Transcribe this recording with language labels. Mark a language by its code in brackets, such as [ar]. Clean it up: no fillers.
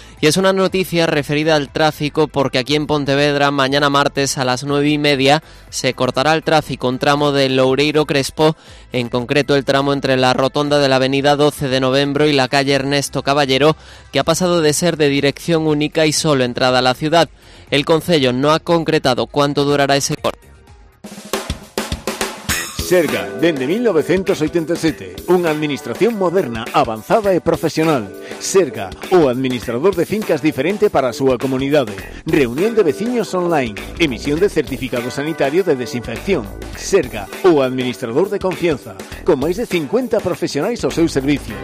[es] Y es una noticia referida al tráfico, porque aquí en Pontevedra, mañana martes a las 9:30, se cortará el tráfico un tramo de Loureiro Crespo, en concreto el tramo entre la rotonda de la avenida 12 de Novembro y la calle Ernesto Caballero, que ha pasado de ser de dirección única y solo entrada a la ciudad. El concello no ha concretado cuánto durará ese corte. [gl] Serga, dende 1987, unha administración moderna, avanzada e profesional. Serga, o administrador de fincas diferente para a súa comunidade. Reunión de veciños online, emisión de certificado sanitario de desinfección. Serga, o administrador de confianza, con máis de 50 profesionais ao seu servicio.